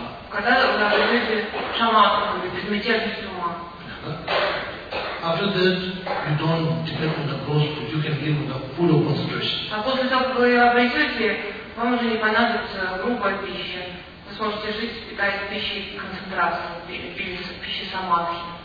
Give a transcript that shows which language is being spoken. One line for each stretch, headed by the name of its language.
Russian: Когда вы находите шаматру, безмятежность ума.
English: After that, you don't depend on the growth, but you can live with a full of concentration.
Russian: А после того, как вы обретете, вам уже не понадобится грубая пища. Вы сможете жить, питаясь пищей концентрации, пищей самадхи.